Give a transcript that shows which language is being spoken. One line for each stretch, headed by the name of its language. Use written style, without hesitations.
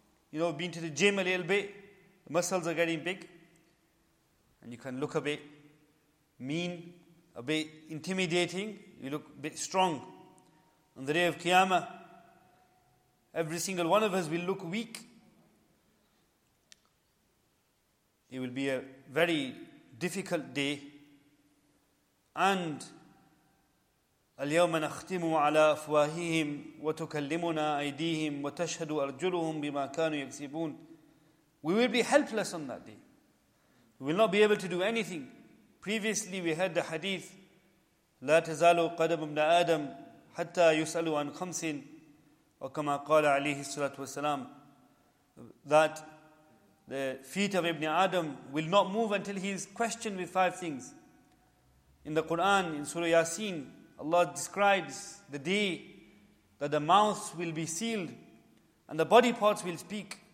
English: You know, been to the gym a little bit, the muscles are getting big, and you can look a bit mean, a bit intimidating, you look a bit strong. On the day of Qiyamah, every single one of us will look weak. It will be a very difficult day, and
Arabic: اليوم نختم على أفواههم وتكلمنا أيديهم وتشهد أرجلهم بما كانوا يكسبون.
English: We will be helpless on that day. We will not be able to do anything. Previously we heard the hadith,
Arabic: لا تزال قدم ابن آدم حتى يسأل عن خمس. وكما قال عليه الصلاة والسلام,
English: that the feet of Ibn Adam will not move until he is questioned with five things. In the Quran, in Surah Yasin, Allah describes the day that the mouths will be sealed and the body parts will speak.